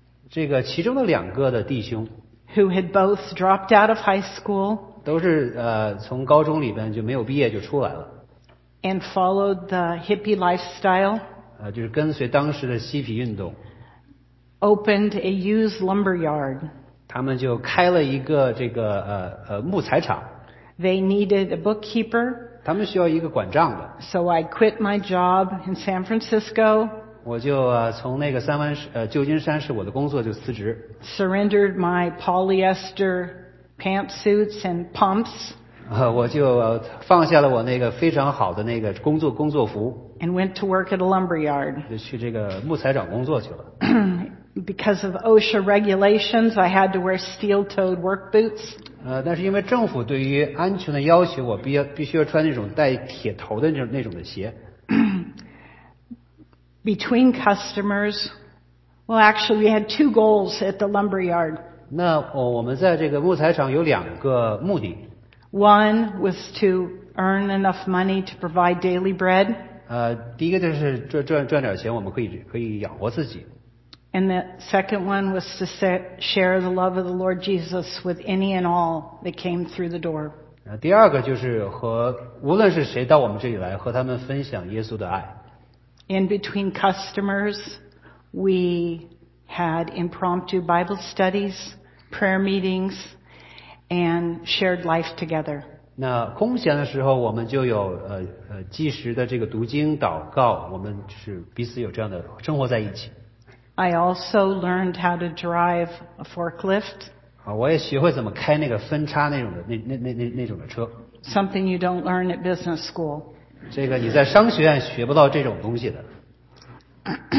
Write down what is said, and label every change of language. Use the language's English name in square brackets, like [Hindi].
[Chinese] 这个其中的两个的弟兄。 [English] Who had both dropped out of high school? [Chinese] 都是从高中里边就没有毕业就出来了。 [English] And followed the hippie lifestyle. [Chinese] 就是跟随当时的嬉皮运动。 [English] Opened a used lumber yard. [Chinese] 他们就开了一个这个木材厂。 [English] They needed a bookkeeper. [Chinese] 他们需要一个管账的。 [English] So I quit my job in San Francisco. [Chinese] 我就从那个旧金山市我的工作就辞职。 [English] Surrendered my polyester pantsuits and pumps. [Chinese] 我就放下了我那个非常好的那个工作服。 [English] And went to work at a lumber yard. [Chinese] 就去这个木材厂工作去了。 [English] Because of OSHA regulations, I had to wear steel-toed work boots. [Chinese] 但是因为政府对于安全的要求，我必须要穿那种带铁头的那种的鞋。 [English] Between customers, well, actually, we had two goals at the lumber yard. [Chinese] 那我们在这个木材厂有两个目的。 [English] One was to earn enough money to provide daily bread. [Chinese] 第一个就是赚点钱，我们可以养活自己。 [English] And the second one was to share the love of the Lord Jesus with any and all that came through the door. [Chinese] 第二个就是和无论是谁到我们这里来，和他们分享耶稣的爱。 [English] In between customers, we had impromptu Bible studies, prayer meetings, and shared life together. [Chinese] 那空闲的时候我们就有即时的这个读经祷告，我们就是彼此有这样的生活在一起。 [English] I also learned how to drive a forklift. [Chinese] 我也学会怎么开那个分叉那种的 那种的车。 [English] Something you don't learn at business school. [Chinese] 这个你在商学院学不到这种东西的。